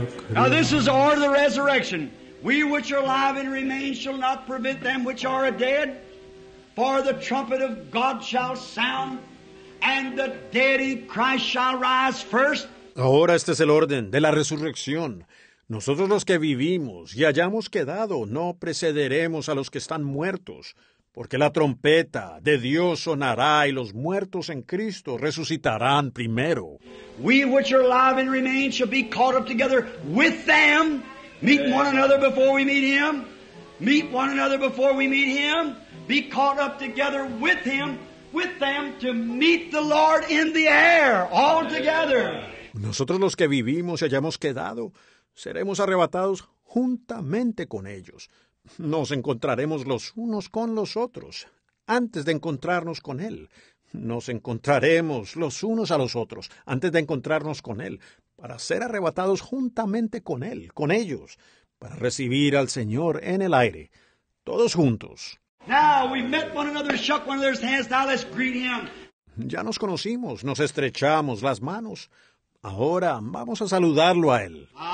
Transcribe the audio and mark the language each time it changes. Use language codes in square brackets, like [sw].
[en] Now this is the order of the resurrection. We which are alive and remain shall not prevent them which are dead. For the trumpet of God shall sound, and the dead in Christ shall rise first. [es] Ahora este es el orden de la resurrección. Nosotros los que vivimos y hayamos quedado no precederemos a los que están muertos, porque la trompeta de Dios sonará y los muertos en Cristo resucitarán primero. [en] We which are alive and remain shall be caught up together with them, meet one another before we meet Him. Meet one another before we meet Him. Be caught up together with Him, with them to meet the Lord in the air, all together. [es] Nosotros los que vivimos y hayamos quedado, seremos arrebatados juntamente con ellos. Nos encontraremos los unos con los otros. Antes de encontrarnos con Él, nos encontraremos los unos a los otros. Antes de encontrarnos con Él, para ser arrebatados juntamente con Él, con ellos, para recibir al Señor en el aire, todos juntos. [en] Now we've met one another, shook one another's hands. Now let's greet Him. [es] Ya nos conocimos, nos estrechamos las manos. Ahora vamos a saludarlo a Él.